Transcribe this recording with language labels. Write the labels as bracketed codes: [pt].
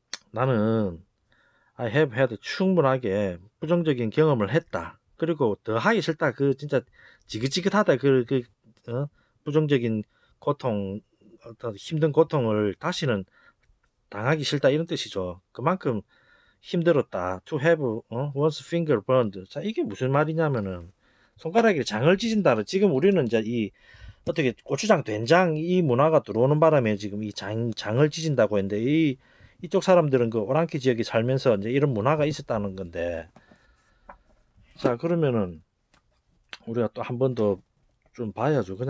[ko] 나는 [en] I have had [ko] 충분하게 부정적인 경험을 했다. 그리고 더 하기 싫다. 그 진짜 지긋지긋하다. 부정적인 고통, 어떤 힘든 고통을 다시는 당하기 싫다. 이런 뜻이죠. 그만큼 힘들었다. [en] To have one's finger burned. [ko] 자, 이게 무슨 말이냐면은 손가락에 장을 찢는다는 지금 우리는 이제 이 어떻게 고추장, 된장 이 문화가 들어오는 바람에 지금 이 장을 찢는다고 했는데 이쪽 사람들은 그 오랑캐 지역에 살면서 이제 이런 문화가 있었다는 건데 자, 그러면은 우리가 또한번더좀 봐야죠.